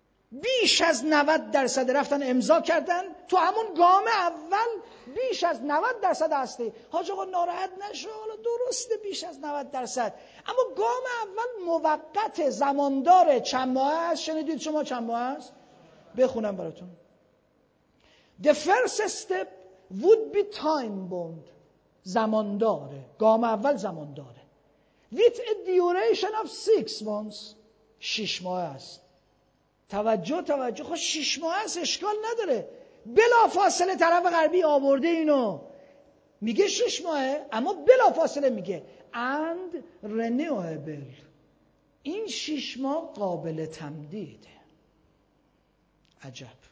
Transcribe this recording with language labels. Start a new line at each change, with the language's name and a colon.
Persian: بیش از 90% رفتن امضا کردن تو همون گام اول، بیش از 90% هسته. حاج آقا ناراحت نشو، حالا درسته بیش از 90%، اما گام اول موقت، زمانداره. چند ماه هست؟ شنیدید شما چند ماه هست؟ بخونم براتون.
English: The first step would be time bound،
Persian: زمانداره. گام اول زمانداره.
English: With a duration of 6 months،
Persian: 6 ماه است. توجه توجه، خب 6 ماه است اشکال نداره. بلا فاصله طرف غربی آورده اینو، میگه 6 ماهه، اما بلا فاصله میگه
English: and renewable،
Persian: این 6 ماه قابل تمدیده. عجب.